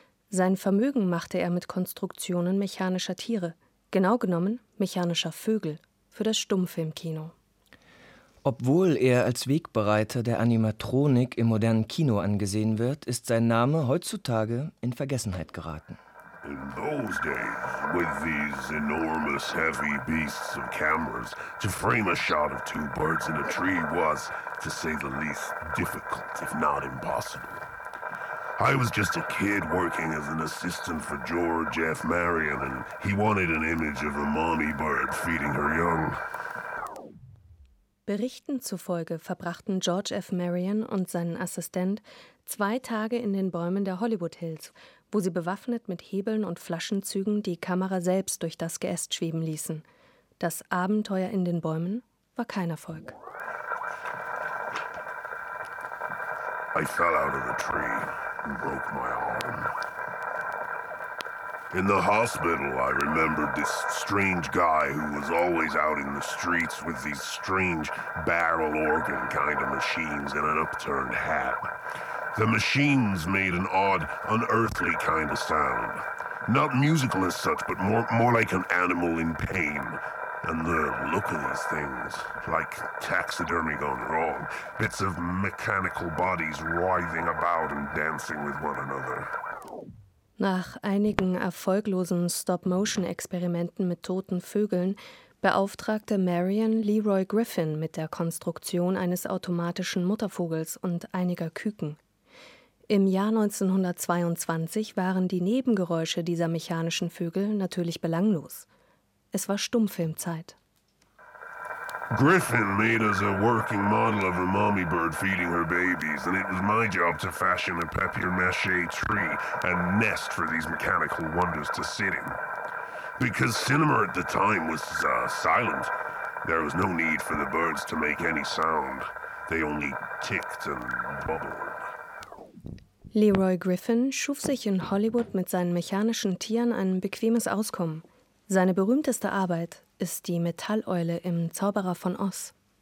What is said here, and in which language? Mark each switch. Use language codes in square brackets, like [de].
[de] Sein Vermögen machte er mit Konstruktionen mechanischer Tiere, genau genommen mechanischer Vögel, für das Stummfilmkino. Obwohl er als Wegbereiter der Animatronik im modernen Kino angesehen wird, ist sein Name heutzutage in Vergessenheit geraten. [en] In those days, with these enormous heavy beasts of cameras, to frame a shot of two birds in a tree was, to say the least, difficult, if not impossible. I was just a kid working as an assistant for George F. Marion, and he wanted an image of a mommy bird feeding her young. [de] Berichten zufolge verbrachten George F. Marion und seinen Assistent 2 Tage in den Bäumen der Hollywood Hills, wo sie bewaffnet mit Hebeln und Flaschenzügen die Kamera selbst durch das Geäst schweben ließen. Das Abenteuer in den Bäumen war kein Erfolg. [en] I fell out of a tree and broke my arm. In the hospital, I remembered this strange guy who was always out in the streets with these strange barrel organ kind of machines and an upturned hat. The machines made an odd, unearthly kind of sound. Not musical as such, but more like an animal in pain. And the look of these things, like taxidermy gone wrong, bits of mechanical bodies writhing about and dancing with one another. [de] Nach einigen erfolglosen Stop-Motion-Experimenten mit toten Vögeln beauftragte Marion Leroy Griffin mit der Konstruktion eines automatischen Muttervogels und einiger Küken. Im Jahr 1922 waren die Nebengeräusche dieser mechanischen Vögel natürlich belanglos. Es war Stummfilmzeit. [en] Griffin made us a working model of a mommy bird feeding her babies, and it was my job to fashion a papier-mâché tree and nest for these mechanical wonders to sit in. Because cinema at the time was silent, there was no need for the birds to make any sound. They only ticked and bubbled. [de] Leroy Griffin schuf sich in Hollywood mit seinen mechanischen Tieren ein bequemes Auskommen. Seine berühmteste Arbeit ist die Metalleule im Zauberer von Oz.